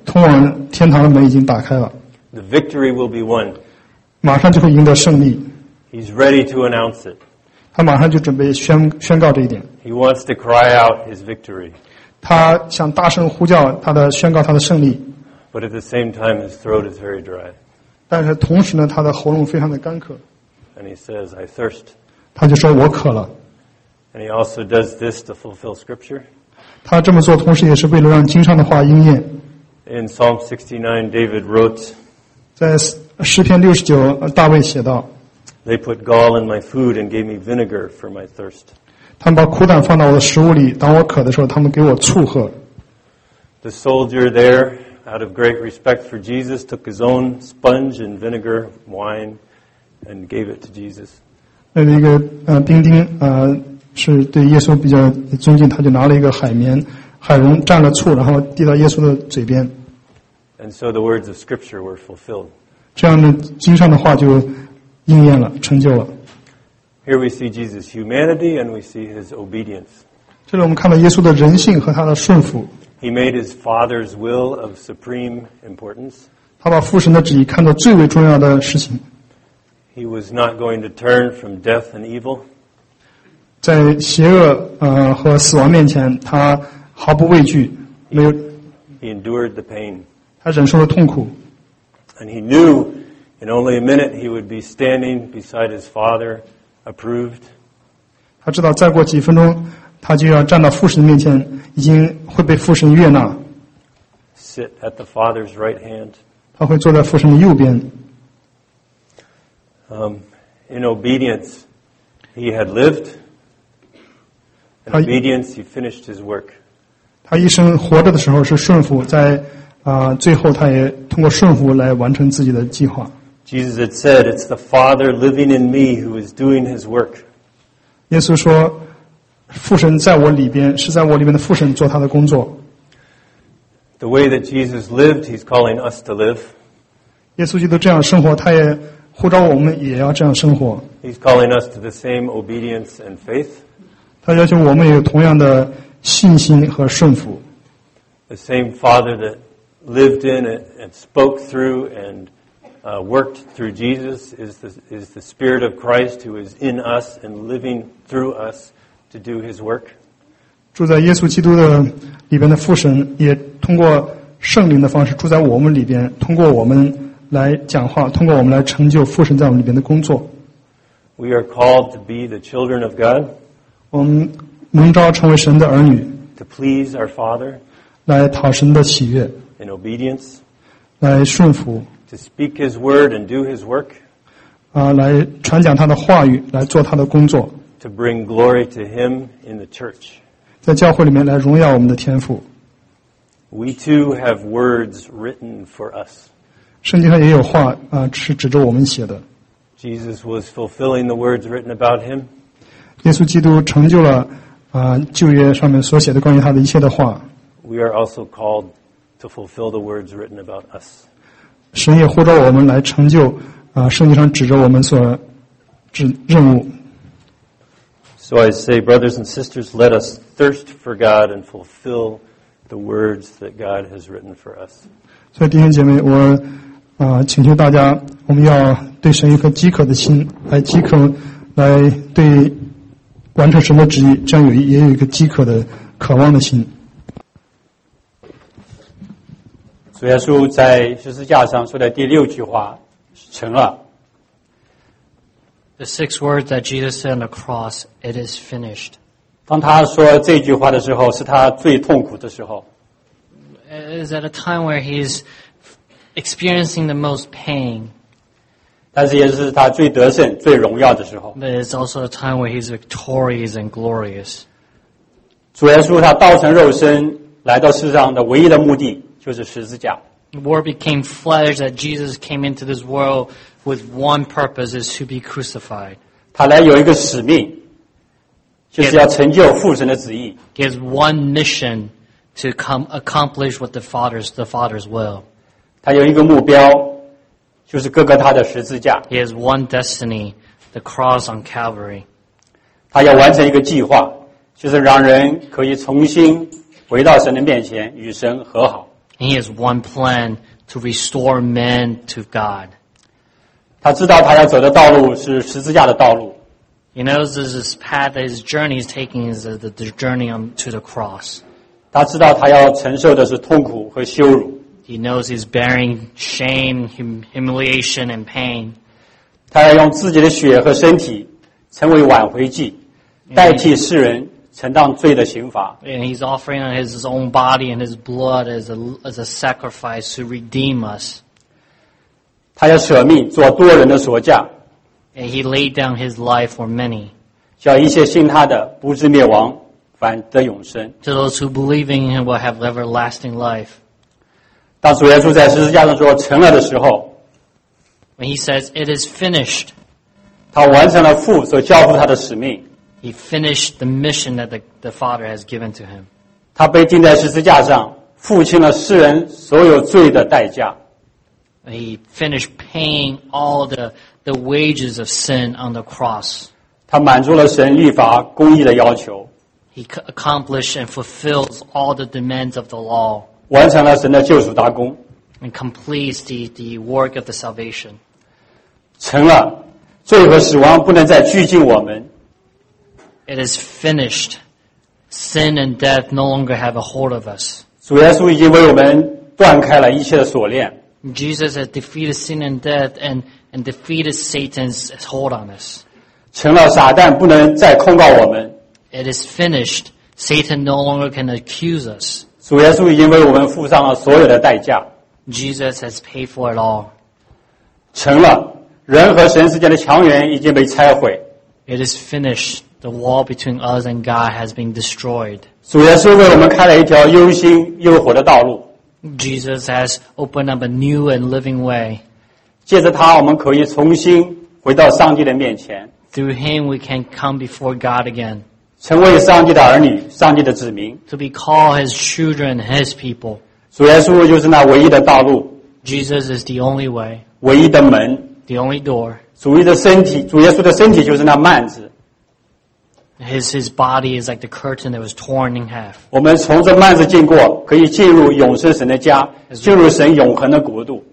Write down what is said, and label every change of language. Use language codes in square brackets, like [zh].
[zh] 通往天堂的门已经打开了。 [en] The victory will be won. [zh] 马上就会赢得胜利。 [en] He's ready to announce it. [zh] 他马上就准备宣告这一点。 [en] He wants to cry out his victory. [zh] 他想大声呼叫他的宣告他的胜利。 [en] But at the same time, his throat is very dry. [zh] 但是同时呢，他的喉咙非常的干渴。 [en] And he says, "I thirst." [zh] 他就说我渴了。 [en] And he also does this to fulfill scripture. [zh] 他这么做同时也是为了让经上的话应验。 [en] In Psalm 69, David wrote. [zh] 在诗篇六十九，大卫写道。 [en] They put gall in my food and gave me vinegar for my thirst. [zh] 他们把苦胆放到我的食物里，当我渴的时候，他们给我醋喝。 [en] The soldier there, out of great respect for Jesus, took his own sponge and vinegar wine and gave it to Jesus. [zh] 那一个兵丁是对耶稣比较尊敬，他就拿了一个海蓉蘸了醋，然后递到耶稣的嘴边。 [en] And so the words of Scripture were fulfilled. [zh] 这样的经上的话就。应验了，成就了。 [en] Here we see Jesus' humanity and we see his obedience. [zh] 这里我们看到耶稣的人性和他的顺服。 [en] He made his Father's will of supreme importance. [zh] 他把父神的旨意看作最为重要的事情。 [en] He was not going to turn from death and evil. [zh] 在邪恶和死亡面前，他毫不畏惧，没有。 [en] He endured the pain. [zh] 他忍受了痛苦。 [en] And he knew. In only a minute, he would be standing beside his father, approved. [zh] 他知道再过几分钟，他就要站到父神面前，已经会被父神悦纳。 [en] Sit at the father's right hand. [zh] 他会坐在父神的右边。 [en] In obedience, he had lived. In obedience, he finished his work. [zh] 他一生活着的时候是顺服，在最后他也通过顺服来完成自己的计划。 [en] Jesus had said, "It's the Father living in me who is doing His work." [zh] 耶稣说，父神在我里边，是在我里边的父神做他的工作。 [en] The way that Jesus lived, He's calling us to live. [zh] 耶稣基督这样生活，他也呼召我们也要这样生活。 [en] He's calling us to the same obedience and faith. [zh] 他要求我们也有同样的信心和顺服。 [en] The same Father that lived in it and spoke through and worked through Jesus is the Spirit of Christ who is in us and living through us to do His work. [zh] 住在耶稣基督的里边的父神也通过圣灵的方式住在我们里边，通过我们来讲话，通过我们来成就父神在我们里边的工作。 [en] We are called to be the children of God. [zh] 我们蒙召成为神的儿女。 [en] To please our Father. [zh] 来讨神的喜悦。 [en] In obedience. [zh] 来顺服。 [en] To speak His word and do His work. [zh] 来传讲他的话语，来做他的工作。 [en] To bring glory to Him in the church. [zh] 在教会里面来荣耀我们的天父。 [en] We too have words written for us. [zh] 圣经上也有话是指着我们写的。 [en] Jesus was fulfilling the words written about him. [zh] 耶稣基督成就了旧约上面所写的关于他的一切的话。 [en] We are also called to fulfill the words written about us. [zh] 神也呼召我们来成就圣经上指着我们所指任务。 [en] So I say, brothers and sisters, let us thirst for God and fulfill the words that God has written for us. [zh] 所以弟兄姐妹，我请求大家，我们要对神一颗饥渴的心，来饥渴，来对完成神的旨意，这样也有一个饥渴的渴望的心。主耶稣在十字架上说的第六句话成了。 [en] The six words that Jesus said on the cross, it is finished. [zh] 当他说这句话的时候，是他最痛苦的时候。 [en] It is at a time where he is experiencing the most pain. [zh] 但是也是他最得胜、最荣耀的时候。 [en] But it's also a time where he is victorious and glorious. [zh] 主耶稣他道成肉身来到世上的唯一的目的就是十字架。 [en] The word became flesh that Jesus came into this world with one purpose is to be crucified. [zh] 他来有一个使命，就是要成就父神的旨意。 [en] He has one mission to come accomplish what the Father's will. [zh] 他有一个目标，就是哥哥他的十字架。 [en] He has one destiny, the cross on Calvary. [zh] 他要完成一个计划，就是让人可以重新回到神的面前，与神和好。 [en] He has one plan to restore man to God. [zh] 他知道他要走的道路是十字架的道路。 [en] He knows this path that his journey is taking is the journey to the cross. [zh] 他知道他要承受的是痛苦和羞辱。 [en] He knows he's bearing shame, humiliation, and pain. [zh] 他要用自己的血和身体成为挽回祭，代替世人。 [en] And he's offering his own body and his blood as a sacrifice to redeem us. [zh] 他要舍命做多人的赎价。 [en] And he laid down his life for many. [zh] 叫一切信他的不至灭亡，反得永生。 [en] To those who believe in him will have everlasting life. [zh] 当主耶稣在十字架上说成了的时候， [en] When he says it is finished, [zh] 他完成了父所交付他的使命。 [en] He finished the mission that the Father has given to him. [zh] 他被钉在十字架上，付清了世人所有罪的代价。 [en] He finished paying all the wages of sin on the cross. [zh] 他满足了神律法公义的要求。 [en] He accomplished and fulfills all the demands of the law. [zh] 完成了神的救赎大工。 [en] And completes the work of the salvation. [zh] 成了，罪和死亡不能再拘禁我们。 [en] It is finished. Sin and death no longer have a hold of us. [zh] 主耶稣已经为我们断开了一切的锁链。 [en] Jesus has defeated sin and death and defeated Satan's hold on us. [zh] 成了撒旦不能再控告我们。 [en] It is finished. Satan no longer can accuse us. [zh] 主耶稣已经为我们付上了所有的代价。 [en] Jesus has paid for it all. [zh] 成了，人和神之间的墙垣已经被拆毁。 [en] It is finished. The wall between us and God has been destroyed. [zh] 主耶稣为我们开了一条又新又活的道路。 [en] Jesus has opened up a new and living way. [zh] 借着他，我们可以重新回到上帝的面前。 [en] Through him, we can come before God again. [zh] 成为上帝的儿女，上帝的子民。 [en] To be called his children, his people. [zh] 主耶稣就是那唯一的道路。 [en] Jesus is the only way. [zh] 唯一的门。 [en] The only door. [zh] 主义的身体，主耶稣的身体就是那幔子。 [en] His body is like the curtain that was torn in half. [zh] 我们从这幔子经过，可以进入永生神的家，进入神永恒的国度。